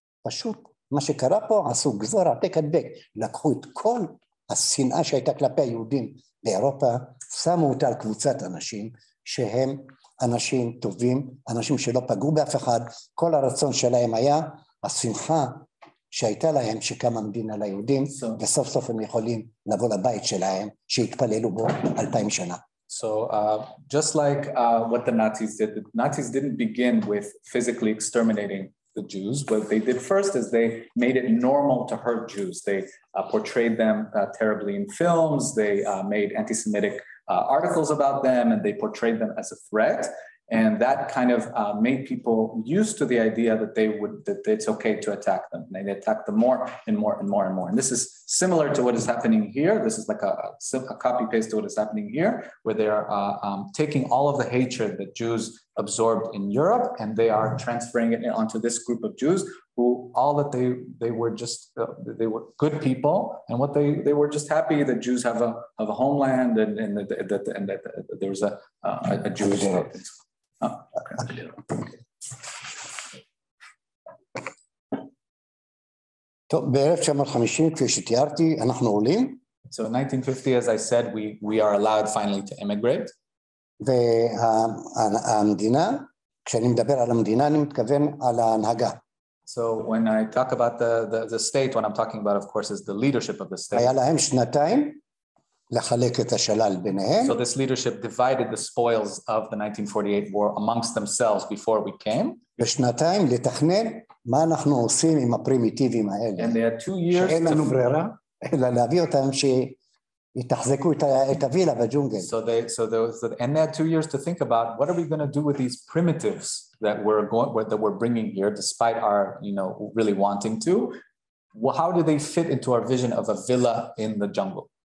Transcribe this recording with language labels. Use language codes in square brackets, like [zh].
[he] פשוט מה שקרה פה, עשו גזור, עתק הדבק, לקחו את כל השנאה שהייתה כלפי היהודים באירופה, שמו אותה על קבוצת אנשים שהם אנשים טובים, אנשים שלא פגעו באף אחד, כל הרצון שלהם היה השמחה שהייתה להם שקמה מדינה ליהודים, וסוף סוף הם יכולים לבוא לבית שלהם, שהתפללו בו 2000 שנה. [en] So just like what the Nazis didn't begin with physically exterminating the Jews, what they did first is they made it normal to hurt Jews. They portrayed them terribly in films, they made anti-Semitic articles about them, and they portrayed them as a threat. And that kind of made people used to the idea that they would, that it's okay to attack them. And they attack them more and more and more and more. And this is similar to what is happening here. This is like a copy paste to what is happening here, where they are taking all of the hatred that Jews absorbed in Europe, and they are transferring it onto this group of Jews, who all that they were just, they were good people, and what they were just happy that Jews have a homeland, and that there was a Jewish state. [he] טוב, ב-1950, כפי שתיארתי, אנחנו עולים. [en] So in 1950, as I said, we are allowed finally to immigrate. [he] והמדינה, כשאני מדבר על המדינה, אני מתכוון על ההנהגה. [en] So when I talk about the state, what I'm talking about, of course, is the leadership of the state. [he] היה להם שנתיים לחלק את השלל ביניהם. [en] So this leadership divided the spoils of the 1948 war amongst themselves before we came. [he] ושנתיים לתכנן מה אנחנו עושים עם הפרימיטיבים האלה. [en] And they had 2 years [he] שאין לנו ברירה, אלא להביא אותם שיתחזקו את הווילה בג'ונגל. [en] And they had 2 years to think about what are we going to do with these primitives that we're bringing here despite our, you know, really wanting to. Well, how do they fit into our vision of a villa in the jungle?